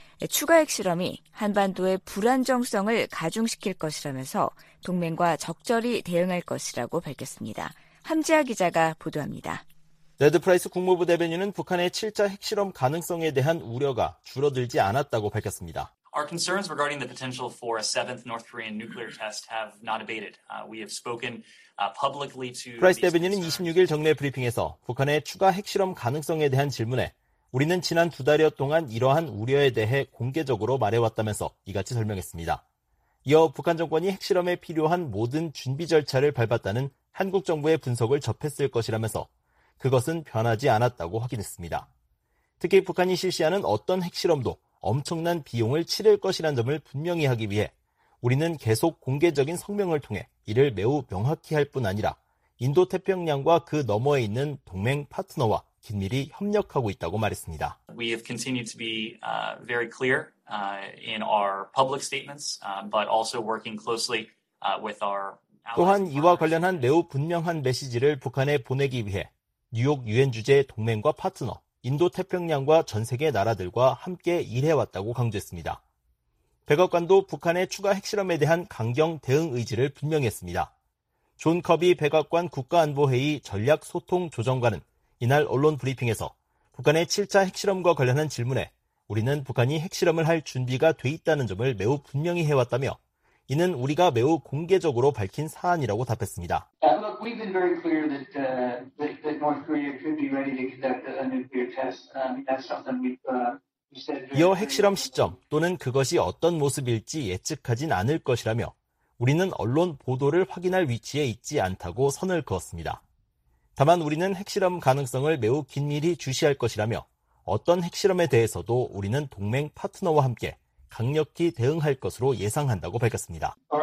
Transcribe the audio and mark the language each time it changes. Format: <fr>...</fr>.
<ko>추가 핵실험이 한반도의 불안정성을 가중시킬 것이라면서 동맹과 적절히 대응할 것이라고 밝혔습니다. 함지아 기자가 보도합니다. 레드 프라이스 국무부 대변인은 북한의 7차 핵실험 가능성에 대한 우려가 줄어들지 않았다고 밝혔습니다.</ko> <en>Our concerns regarding the potential for a seventh North Korean nuclear test have not abated. We have spoken publicly to</en> <ko>프라이스 대변인은 26일 정례 브리핑에서 북한의 추가 핵실험 가능성에 대한 질문에 우리는 지난 두 달여 동안 이러한 우려에 대해 공개적으로 말해왔다면서 이같이 설명했습니다. 이어 북한 정권이 핵실험에 필요한 모든 준비 절차를 밟았다는 한국 정부의 분석을 접했을 것이라면서 그것은 변하지 않았다고 확인했습니다. 특히 북한이 실시하는 어떤 핵실험도 엄청난 비용을 치를 것이라는 점을 분명히 하기 위해 우리는 계속 공개적인 성명을 통해 이를 매우 명확히 할 뿐 아니라 인도태평양과 그 너머에 있는 동맹 파트너와 긴밀히 협력하고 있다고 말했습니다.</ko> <en>We have continued to be very clear in our public statements, but also working closely with our</en> <ko>또한 이와 관련한 매우 분명한 메시지를 북한에 보내기 위해 뉴욕 유엔 주재 동맹과 파트너, 인도태평양과 전 세계 나라들과 함께 일해왔다고 강조했습니다. 백악관도 북한의 추가 핵실험에 대한 강경 대응 의지를 분명히 했습니다. 존 커비 백악관 국가안보회의 전략소통조정관은 이날 언론 브리핑에서 북한의 7차 핵실험과 관련한 질문에 우리는 북한이 핵실험을 할 준비가 돼 있다는 점을 매우 분명히 해왔다며 이는 우리가 매우 공개적으로 밝힌 사안이라고 답했습니다.</ko> <en>Look, we've been very clear that North Korea could be ready to conduct a nuclear test. That's something we've said.</en> <ko>이어 핵실험 시점 또는 그것이 어떤 모습일지 예측하진 않을 것이라며 우리는 언론 보도를 확인할 위치에 있지 않다고 선을 그었습니다. 다만 우리는 핵실험 가능성을 매우 긴밀히 주시할 것이라며 어떤 핵실험에 대해서도 우리는 동맹 파트너와 함께 강력히 대응할 것으로 예상한다고 밝혔습니다.</ko>